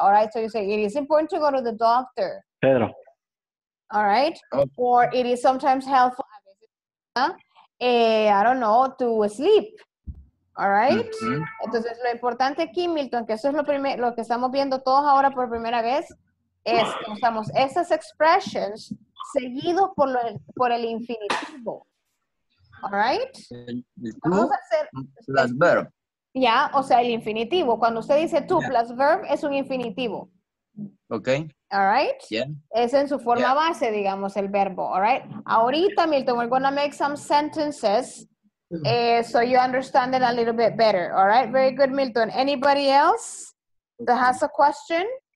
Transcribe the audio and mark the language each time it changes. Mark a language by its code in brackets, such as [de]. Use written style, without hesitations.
[en] All right, so you say, it is important to go to the doctor. Pedro. All right. Okay. Or it is sometimes helpful, I don't know, to sleep. All right. Mm-hmm. [es] Entonces, lo importante aquí, Milton, que eso es lo que estamos viendo todos ahora por primera vez, es que usamos esas expressions seguidos por el infinitivo. [en] All right. [es] Las verbos. Ya, o sea, el infinitivo. Cuando usted dice tú [en] plus verb, [es] es un infinitivo. [en] Ok. All right. Yeah. [es] Es en su forma base, digamos, el verbo. [en] All right. [es] Ahorita, [en] Milton, we're going to make some sentences so you understand it a little bit better. All right. Very good, Milton. Anybody else that has a question?